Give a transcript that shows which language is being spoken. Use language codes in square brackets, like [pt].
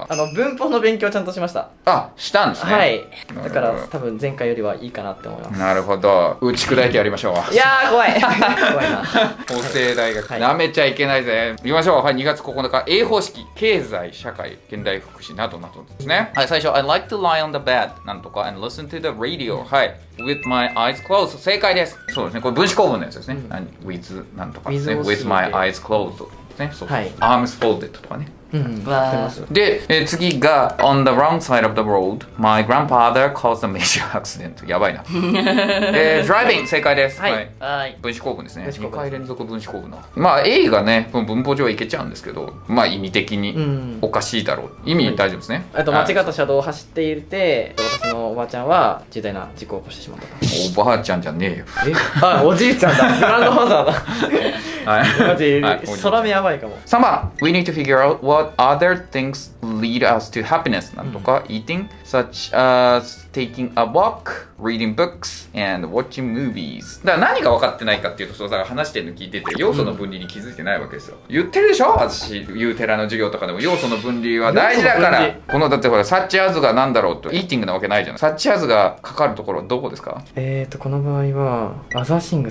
[ja] はい、あの文法の勉強ちゃんとしました。あ、したんですね。はい、だから多分前回よりはいいかなって思います。なるほど、打ち砕いてやりましょう。いやー怖い怖いな法政大学、はい、舐めちゃいけないぜ。いきましょう。はい、2月9日 A 方式、経済社会現代福祉などなどですね。はい、最初 [en] I like to lie on the bed [ja] なんとか [en] and listen to the radio、 はい、With my eyes closed、 [ja] 正解です。そうですね、これ分子構文のやつですね、うん、With なんとかですね、 [en] With my eyes closed、 [ja] そうですね、はい、 [en] Arms folded [ja] とかね、うん、 [en] で、次が On the wrong side of the road My grandfather caused a major accident、 [ja] やばいな [en] Driving [ja] 正解です。はい、はい、分子構文ですね、2回連続分子構文の、まあ A がね、文法上はいけちゃうんですけど、まあ意味的におかしいだろう、うん、意味大丈夫ですね、はい、あと間違った車道を走っていて、私のおばあちゃんは重大な事故を起こしてしまったおばあちゃんじゃねえよ。あ、おじいちゃんだ、グランドファザーだはい、待って、空目やばいかも。 [en] 3番 We need to figure out what other things lead us to happiness、 [ja] なんとか、うん、 [en] eating such as taking a walk, reading books, and watching movies。 [ja] だから何が分かってないかっていうと、そうさ、話してるの聞いてて要素の分離に気づいてないわけですよ、うん、言ってるでしょ、私言うてらの授業とかでも要素の分離は大事だから。このだってほら、 such as が何だろうと、 eating なわけないじゃん。such as がかかるところはどこですか。この場合は other things、